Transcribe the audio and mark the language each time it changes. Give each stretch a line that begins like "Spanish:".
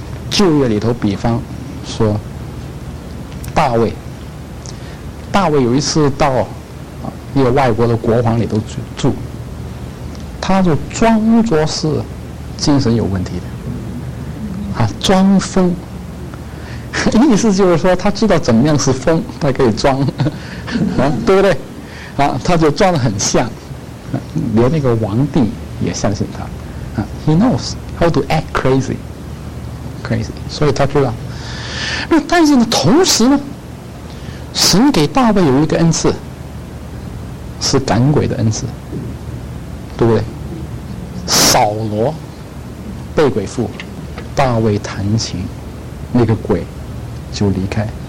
Chinese: 旧约里头比方说大卫，大卫有一次到一个外国的国王里头住，他就装作是精神有问题的啊，装疯，意思就是说他知道怎么样是疯，他可以装啊，对不对啊？他就装得很像，连那个王帝也相信他啊。
English: He knows how to act crazy，
Chinese: 所以他知道。但是呢，同时呢，神给大卫有一个恩赐，是赶鬼的恩赐，对不对？扫罗被鬼附，大卫弹琴，那个鬼就离开。